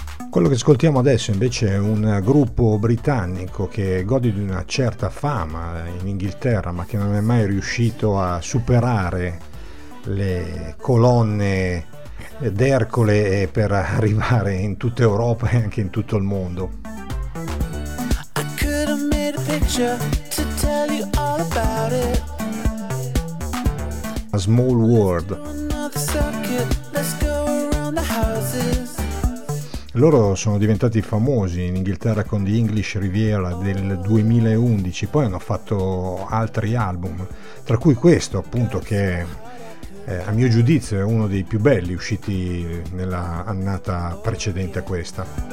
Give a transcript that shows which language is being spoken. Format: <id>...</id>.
<it>Quello che ascoltiamo adesso invece è un gruppo britannico che gode di una certa fama in Inghilterra, ma che non è mai riuscito a superare le colonne d'Ercole per arrivare in tutta Europa e anche in tutto il mondo.</it> <en>I could have made a picture. Tell you all about it. A small world. Another circuit. Let's go around the houses.</en> <it>Loro sono diventati famosi in Inghilterra con The English Riviera del 2011, poi hanno fatto altri album, tra cui questo appunto che a mio giudizio è uno dei più belli usciti nella annata precedente a questa.</it>